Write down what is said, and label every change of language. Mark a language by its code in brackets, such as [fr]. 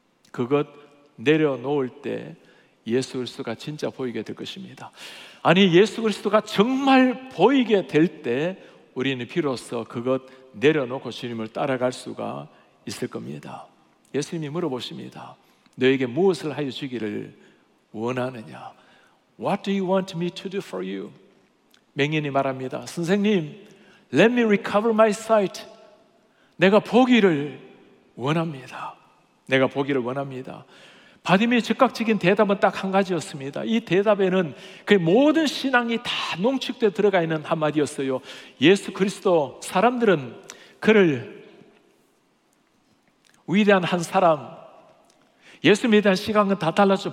[ko] 그것 내려놓을 때 예수 그리스도가 진짜 보이게 될 것입니다. 아니, 예수 그리스도가 정말 보이게 될 때 우리는 비로소 그것 내려놓고 주님을 따라갈 수가 있을 겁니다. 예수님이 물어보십니다. 너에게 무엇을 하여 주기를 원하느냐? [en] What do you want me to do for you? [ko] 맹인이 말합니다. 선생님, [en] let me recover my sight. [ko] 내가 보기를 원합니다. 내가 보기를 원합니다. 바디메어의 즉각적인 대답은 딱 한 가지였습니다. 이 대답에는 그 모든 신앙이 다 농축되어 들어가 있는 한마디였어요. 예수 그리스도, 사람들은 그를 위대한 한 사람, 예수님에 대한 시각은 다 달랐죠.